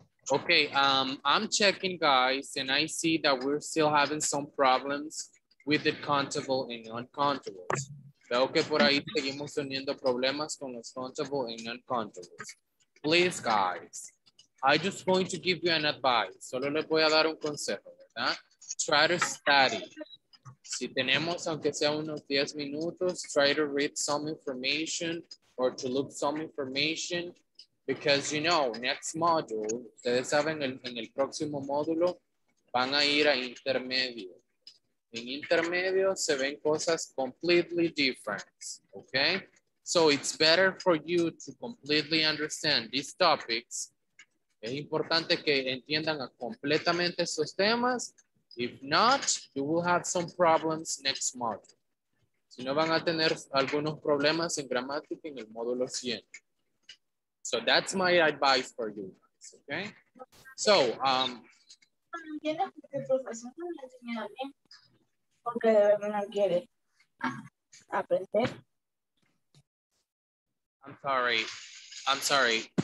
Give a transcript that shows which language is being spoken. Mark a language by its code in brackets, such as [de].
[en] Okay, I'm checking, guys, and I see that we're still having some problems with the countable and non-countables. [es] Veo que por ahí seguimos teniendo problemas con los [en] countable and non-countables. Please, guys, I just going to give you an advice. [es] Solo le voy a dar un consejo, ¿verdad? [en] Try to study. [es] Si tenemos, aunque sea unos 10 minutos, [en] try to read some information or to look some information because, you know, next module, [es] ustedes saben, en el próximo módulo, van a ir a intermedio. En intermedio se ven cosas [en] completely different, [es] okay? [en] So it's better for you to completely understand these topics. [es] Es importante que entiendan completamente esos temas. [en] If not, you will have some problems next month. [es] Si no, van a tener algunos problemas en gramática en el módulo 100. [en] So that's my advice for you guys, okay? So, I'm sorry.